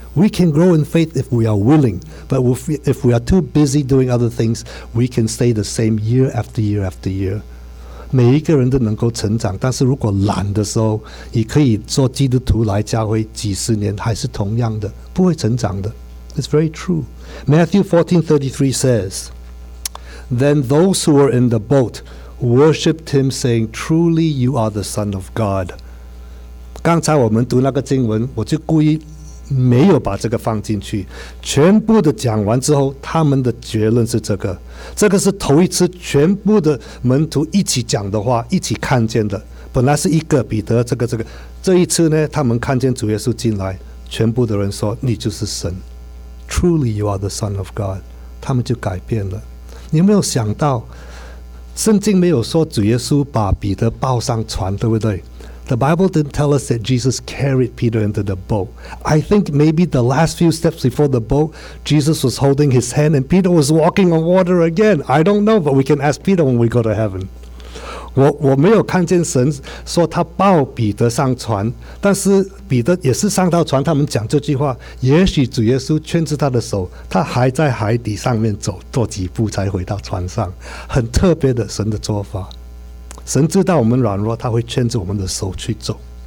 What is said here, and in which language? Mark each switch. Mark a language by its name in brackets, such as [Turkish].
[English] We can grow in faith if we are willing, but if we are too busy doing other things, we can stay the same year after year after year. [Chinese] 每一个人都能够成长，但是如果懒的时候，你可以做基督徒来教会几十年，还是同样的，不会成长的。 [English] It's very true. Matthew 14:33 says, Then those who were in the boat,worshipped him saying truly you are the son of God. [Chinese] 刚才我们读那个经文，我就故意没有把这个放进去。全部的讲完之后，他们的结论是这个。这个是头一次全部的门徒一起讲的话，一起看见的。本来是一个彼得这个。这一次呢，他们看见主耶稣进来，全部的人说你就是神。 [English] Truly you are the son of God. [Chinese] 他们就改变了。你有没有想到圣经没有说主耶稣把彼得抱上船，对不对？ [English] The Bible didn't tell us that Jesus carried Peter into the boat. I think maybe the last few steps before the boat, Jesus was holding his hand and Peter was walking on water again. I don't know, but we can ask Peter when we go to heaven. [Chinese] 我没有看见神说他抱彼得上船，但是彼得也是上到船，他们讲这句话，也许主耶稣牵着他的手，他还在海底上面走多几步才回到船上。很特别的神的做法，神知道我们软弱，他会牵着我们的手去走。